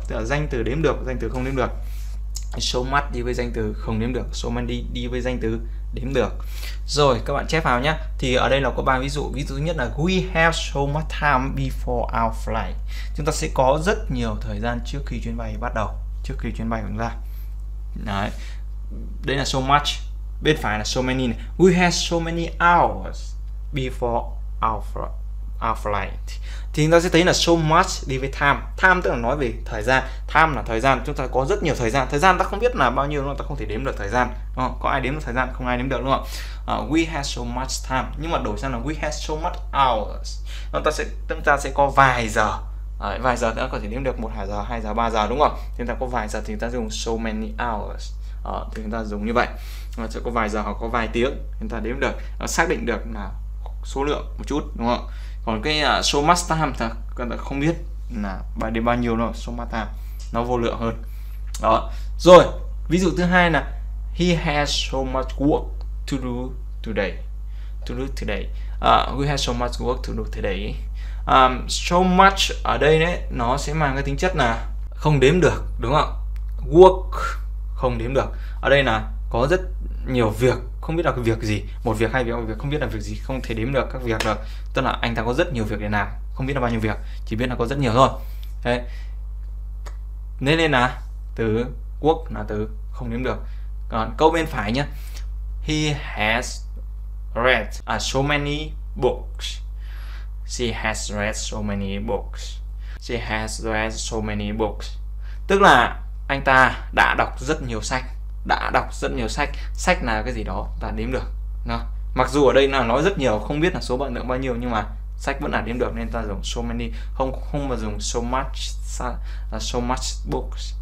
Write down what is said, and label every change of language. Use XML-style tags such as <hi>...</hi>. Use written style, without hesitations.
<vi>Tức là danh từ đếm được, danh từ không đếm được. So much đi với danh từ không đếm được, so many đi với danh từ đếm được. Rồi, các bạn chép vào nhé. Thì ở đây là có ba ví dụ. Ví dụ nhất là</vi> <en>we have so much time before our flight.</en> <vi>Chúng ta sẽ có rất nhiều thời gian trước khi chuyến bay bắt đầu, trước khi chuyến bay của chúng ta. Đấy. Đây là so much, bên phải là so many này.</vi> <en>We have so many hours before our flight.</en> <vi>Thì chúng ta sẽ thấy là so much đi với time. Time tức là nói về thời gian. Time là thời gian, chúng ta có rất nhiều thời gian. Thời gian ta không biết là bao nhiêu, ta không thể đếm được thời gian, đúng không? Có ai đếm được thời gian? Không ai đếm được, đúng không?</vi> <en>We have so much time.</en> <vi>Nhưng mà đổi sang là</vi> <en>we have so much hours,</en> <vi>chúng ta sẽ có vài giờ. Vài giờ ta có thể đếm được 1 giờ, 2 giờ, 3 giờ, đúng không? Chúng ta có vài giờ thì chúng ta dùng</vi> <en>so many hours.</en> <vi>Thì chúng ta dùng như vậy, sẽ có vài giờ hoặc có vài tiếng, chúng ta đếm được, xác định được là số lượng một chút, đúng không? Còn cái so much time thật các bạn không biết là bài đề bao nhiêu, nó so much time nó vô lượng hơn đó. Rồi ví dụ thứ hai là</vi> <en>he has so much work to do today,</en> <vi>to do today.</vi> <en>We have so much work to do today.</en> <vi>So much ở đây đấy nó sẽ mang cái tính chất là không đếm được, đúng không? Work không đếm được. Ở đây là có rất nhiều việc, không biết là việc gì, một việc, hai việc, một việc, không biết là việc gì, không thể đếm được các việc được. Tức là anh ta có rất nhiều việc để làm, không biết là bao nhiêu việc, chỉ biết là có rất nhiều thôi. Thế nên là từ work là từ không đếm được. Còn câu bên phải nhé,</vi> <en>he has read so many books. She has read so many books. She has read so many books.</en> <vi>Tức là anh ta đã đọc rất nhiều sách. Đã đọc rất nhiều sách. Sách là cái gì đó ta đếm được. Nào. Mặc dù ở đây là nói rất nhiều, không biết là số lượng bao nhiêu, nhưng mà sách vẫn là đếm được, nên ta dùng so many, không mà dùng so much,</vi> <en>so much books.</en>